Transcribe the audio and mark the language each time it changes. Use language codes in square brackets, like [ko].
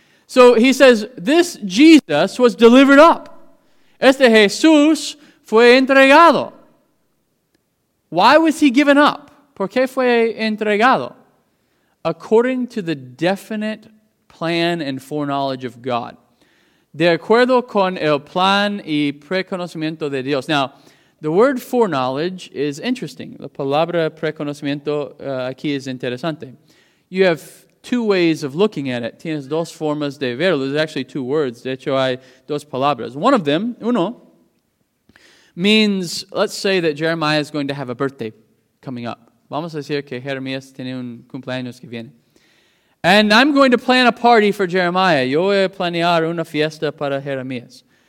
[en] So he says, this Jesus was delivered up. [es] Este Jesús fue entregado. [en] Why was he given up? [es] ¿Por qué fue entregado? [en] According to the definite plan and foreknowledge of God. [es] De acuerdo con el plan y preconocimiento de Dios. [en] Now, the word foreknowledge is interesting. [es] La palabra preconocimiento aquí es interesante. [en] You have two ways of looking at it. [es] Tienes dos formas de verlo. [en] There's actually two words. [es] De hecho, hay dos palabras. [en] One of them, uno, means, let's say that Jeremiah is going to have a birthday coming up. [es] Vamos a decir que Jeremías tiene un cumpleaños que viene. [en] And I'm going to plan a party for Jeremiah. [es] Yo voy a planear una fiesta para Jeremías.